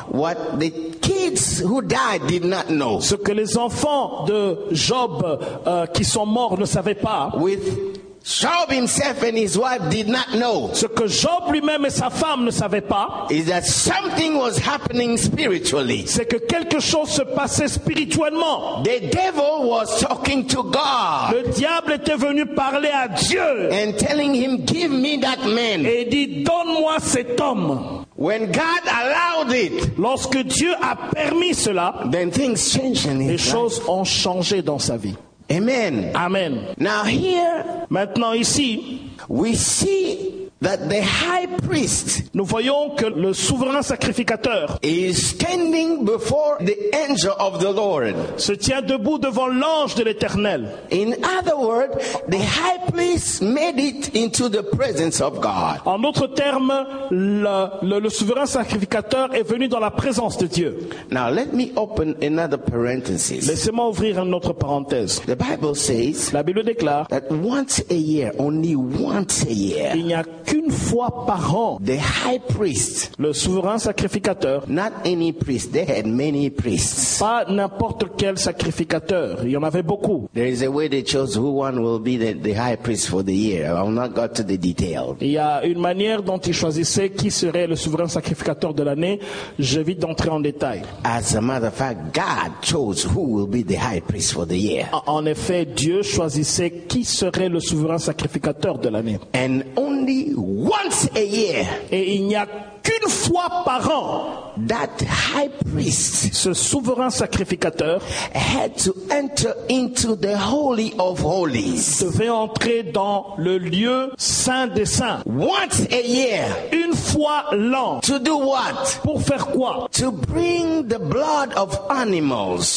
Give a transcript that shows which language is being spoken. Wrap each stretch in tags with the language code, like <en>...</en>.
<en>What the kids who died did not know.</en> <fr>Ce que les enfants de Job qui sont morts ne savaient pas.</fr> <en>With Job himself and his wife did not know.</en> <fr>Ce que Job lui-même et sa femme ne savaient pas,</fr> <en>is that something was happening spiritually.</en> <fr>C'est que quelque chose se passait spirituellement.</fr> <en>The devil was talking to God.</en> <fr>Le diable était venu parler à Dieu.</fr> <en>And telling him, "Give me that man."</en> <fr>Et dit, donne-moi cet homme.</fr> <en>When God allowed it,</en> <fr>lorsque Dieu a permis cela,</fr> <en>then things changed in his life.</en> <fr>Les choses ont changé dans sa vie.</fr> <en>Amen.</en> <fr>Amen.</fr> <en>Now here,</en> <fr>maintenant ici,</fr> <en>we see that the high priest,</en> <fr>nous voyons que le souverain sacrificateur,</fr> <en>is standing before the angel of the Lord,</en> <fr>se tient debout devant l'ange de l'Éternel.</fr> <en>In other words, the high priest made it into the presence of God.</en> <fr>En d'autres termes, le souverain sacrificateur est venu dans la présence de Dieu.</fr> <en>Now let me open another parenthesis.</en> <fr>Laissez-moi ouvrir une autre parenthèse.</fr> <en>The Bible says,</en> <fr>la Bible déclare,</fr> <en>that once a year, only once a year,</en> <fr>il n'y a qu'une fois par an,</fr> <en>the high priest,</en> <fr>le souverain sacrificateur,</fr> <en>not any priest, they had many priests,</en> <fr>pas n'importe quel sacrificateur, il y en avait beaucoup.</fr> <en>There is a way they chose who one will be the high priest for the year. I've not got to the details.</en> <fr>Il y a une manière dont ils choisissaient qui serait le souverain sacrificateur de l'année. J'évite d'entrer en détail.</fr> <en>As a matter of fact, God chose who will be the high priest for the year.</en> <fr>En effet, Dieu choisissait qui serait le souverain sacrificateur de l'année.</fr> <en>And only once a year,</en> <fr>et il n'y a qu'une fois par an,</fr> <en>that high priest,</en> <fr>ce souverain sacrificateur,</fr> <en>had to enter into the holy of holies,</en> <fr>devait entrer dans le lieu saint des saints,</fr> <en>once a year,</en> <fr>une fois l'an,</fr> <en>to do what,</en> <fr>pour faire quoi,</fr> <en>to bring the blood of animals,</en>